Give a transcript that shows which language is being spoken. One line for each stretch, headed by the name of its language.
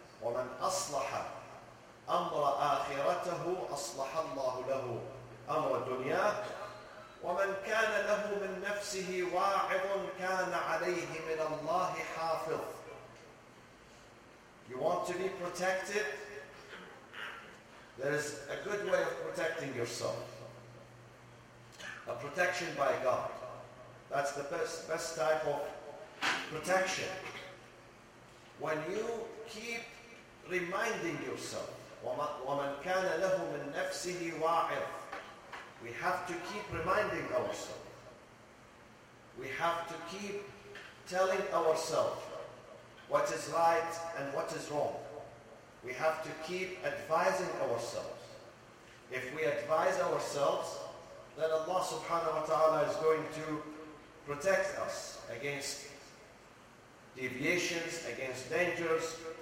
Arabic: وَمَنْ أَصْلَحَ أَمْرَ آخِرَتَهُ أَصْلَحَ اللَّهُ لَهُ أَمْرَ دُنْيَاهُ وَمَنْ كَانَ لَهُ مِنْ نَفْسِهِ وَاعِظٌ كَانَ عَلَيْهِ مِنَ اللَّهِ حَافِظٌ.
English: You want to be protected? There is a good way of protecting yourself. A protection by God. That's the best type of protection. When you keep reminding yourself,
Arabic: وَمَنْ كَانَ لَهُ مِنْ نَفْسِهِ وَاعِظٌ.
English: We have to keep reminding ourselves. We have to keep telling ourselves what is right and what is wrong. We have to keep advising ourselves. If we advise ourselves, then Allah subhanahu wa ta'ala is going to protect us against deviations, against dangers.